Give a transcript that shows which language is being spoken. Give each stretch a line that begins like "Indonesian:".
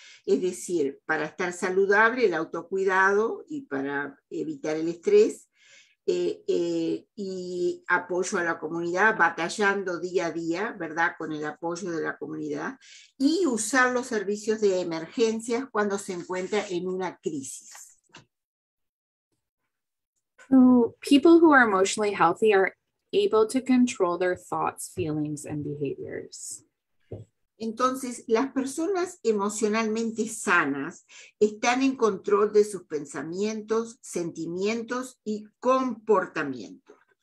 Spanish: Es decir, para estar saludable, el autocuidado y para evitar el estrés, y apoyo a la comunidad, batallando día a día, ¿verdad?, con el apoyo de la comunidad, y usar los servicios de emergencias cuando se encuentra en una crisis.
English: People who are emotionally healthy are able to control their thoughts, feelings, and behaviors.
Spanish: Entonces, las personas emocionalmente sanas están en control de sus pensamientos, sentimientos y comportamientos.